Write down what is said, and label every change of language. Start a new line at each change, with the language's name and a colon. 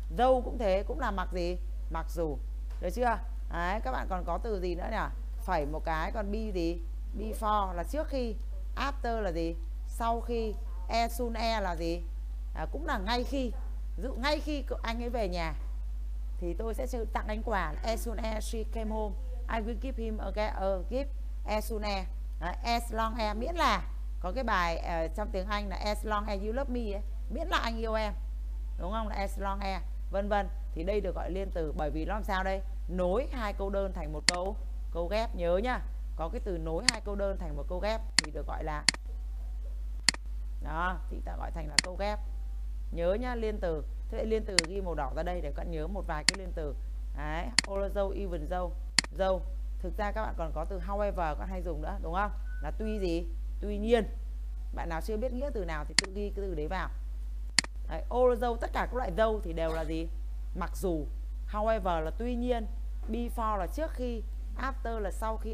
Vietnamese: Though cũng thế, cũng là mặc gì? Mặc dù. Được chưa? Đấy, các bạn còn có từ gì nữa nhỉ? Phẩy một cái, còn be gì? Before là trước khi, after là gì? Sau khi, as soon as là gì? À, cũng là ngay khi. Ví dụ ngay khi anh ấy về nhà thì tôi sẽ tặng anh quà.
English: As soon as she came home, I will give him a gift as soon as.
Vietnamese: Đấy, as long as, miễn là, có cái bài trong tiếng Anh là
English: as long as you love me
Vietnamese: ấy, miễn là anh yêu em, đúng không? As long as, vân vân. Thì đây được gọi liên từ, bởi vì nó làm sao đây? Nối hai câu đơn thành một câu, câu ghép, nhớ nhá. Có cái từ nối hai câu đơn thành một câu ghép thì được gọi là, đó, thì ta gọi thành là câu ghép. Nhớ nhá, liên từ. Thế vậy liên từ ghi màu đỏ ra đây để các bạn nhớ một vài cái liên từ.
English: Đấy, although, even, though, though.
Vietnamese: Thực ra các bạn còn có từ however các bạn hay dùng nữa, đúng không? Là tuy gì? Tuy nhiên. Bạn nào chưa biết nghĩa từ nào thì tự ghi cái từ đấy vào. Đấy, although, tất cả các loại though thì đều là gì? Mặc dù. However là tuy nhiên. Before là trước khi. After là sau khi.